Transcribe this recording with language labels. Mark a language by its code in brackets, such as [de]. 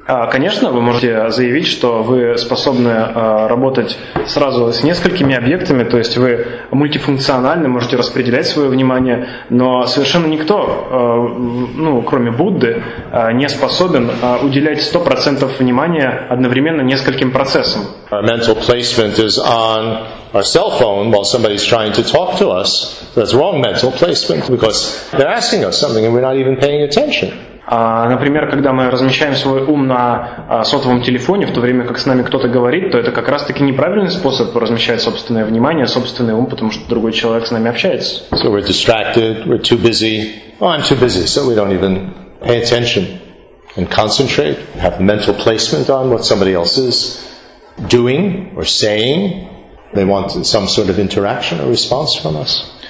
[ru] Конечно, вы можете заявить, что вы способны работать сразу с несколькими объектами, то есть вы мультифункциональны, можете распределять свое внимание, но совершенно никто, кроме Будды, не способен уделять 100% внимания одновременно нескольким процессам. [en] Our mental placement is on our cell phone while somebody's trying to talk to us. That's wrong mental placement, because they're asking us something and we're not even paying attention. [ru] Например, когда мы размещаем свой ум на сотовом телефоне, в то время как с нами кто-то говорит, то это как раз-таки неправильный способ размещать собственное внимание, собственный ум, потому что другой человек с нами общается. [en] So we're distracted, we're too busy. Oh, I'm too busy, so we don't even pay attention and concentrate, have mental placement on what somebody else is doing or saying. They want some sort of interaction or response from us.